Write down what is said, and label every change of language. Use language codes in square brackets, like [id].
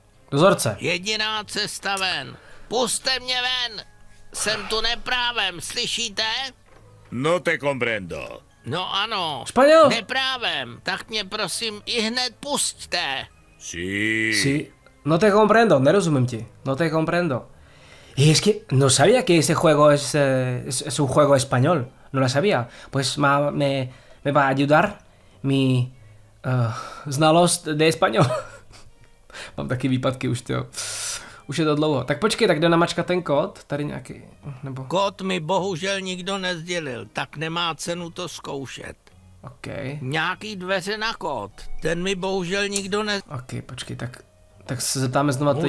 [cs] Dozorce. Jediná cesta ven, puste mě ven, jsem tu neprávem, slyšíte? [es] No te comprendo. [cs] No ano. Španěl. Neprávem, tak mě prosím i hned pustte. [es] Si. Si. No te comprendo, [cs] nerozumím ti, [es] no te comprendo. Y es que no sabía que ese juego es un juego español. No lo sabía. Pues me va a ayudar mi znalost de español. [cs] Mám taky výpadky už, tyjo. Už je to dlouho. Tak počkej, tak jde namačkat ten kód? Tady nějaký, nebo... Kód mi bohužel nikdo nezdělil, tak nemá cenu to zkoušet. Okej. [en] Okay. [cs] Nějaký dveře na kód, ten mi bohužel nikdo ne... Okej, okay, počkej, tak se zeptáme znovu toho